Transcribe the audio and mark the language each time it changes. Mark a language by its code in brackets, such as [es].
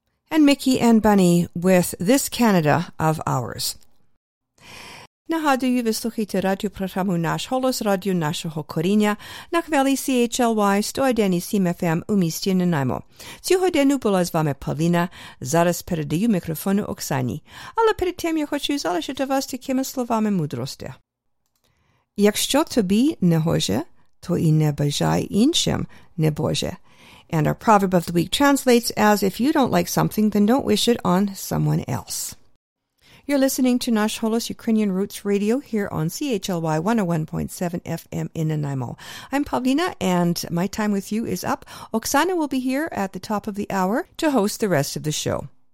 [en] and Mickey and Bunny with This Canada of Ours. [uk] Нагадую, ви слухаєте радіопрограму «Наш голос» радіо нашого коріння на хвилі CHLY 101.7 FM у місті Нанаймо. Цю годину була з вами Павліна, зараз передаю мікрофон Оксані. Але перед тим я хочу залишити вас такими словами мудрості. Якщо тобі не гоже, то і не бажай іншим не боже. [en] And our proverb of the week translates as, if you don't like something, then don't wish it on someone else. You're listening to Nash Holos Ukrainian Roots Radio here on CHLY 101.7 FM in Nanaimo. I'm Pavlina, and my time with you is up. Oksana will be here at the top of the hour to host the rest of the show.